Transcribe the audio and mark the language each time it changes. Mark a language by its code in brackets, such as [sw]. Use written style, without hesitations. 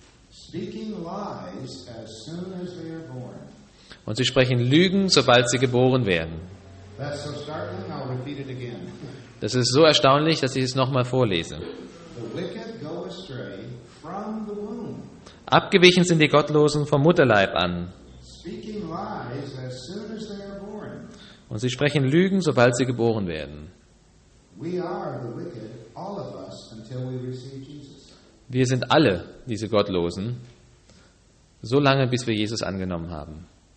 [en] Speaking lies as soon as they are born. [de] Und sie sprechen Lügen, sobald sie geboren werden. [en] That's so startling, I'll repeat it again. [de] Das ist so erstaunlich, dass ich es nochmal vorlese. [en] The wicked go astray from the womb. [de] Abgewichen sind die Gottlosen vom Mutterleib an. [en] Speaking lies as soon as they are born. [de] Und sie sprechen Lügen, sobald sie geboren werden. [en] We are the wicked, all of us, until we receive Jesus. [de] Wir sind alle diese Gottlosen, so lange, bis wir Jesus angenommen haben.